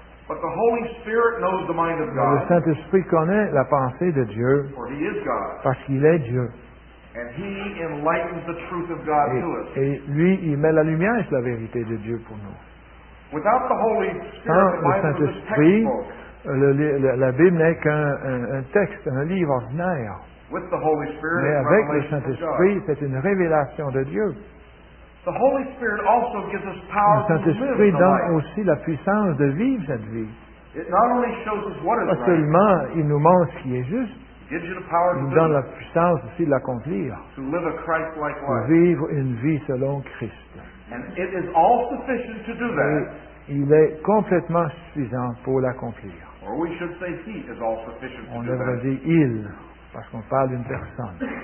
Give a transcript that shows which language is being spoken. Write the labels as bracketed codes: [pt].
[en] But the Holy Spirit knows the mind of God. [fr] Le Saint-Esprit connaît la pensée de Dieu, [en] for he is God. [fr] Parce qu'il est Dieu. [en] And he enlightens the truth of God [fr] et, [en] to us. [fr] Et lui, il met la lumière sur la vérité de Dieu pour nous. [en] Without the Holy Spirit, [fr] sans [en] the Bible [fr] le Saint-Esprit, la Bible n'est qu'un texte, un livre ordinaire. [en] With the Holy Spirit, [fr] mais avec le Saint-Esprit, c'est une révélation de Dieu. [en] The Holy Spirit also gives us power. [fr] Le Saint-Esprit donne aussi la puissance de vivre cette vie. [en] It not only shows us what is [fr] pas seulement il nous montre ce qui est juste, [en] gives you the power [fr] il nous [en] to [fr] donne [en] live. [fr] La puissance aussi de l'accomplir. [en] To live a Christ-like life. [fr] Pour vivre une vie selon Christ. [en] And it is all sufficient to do that. [fr] Et il est complètement suffisant pour l'accomplir. [en] Or we should say he is all sufficient. [fr] On devrait dire il, parce qu'on parle d'une personne.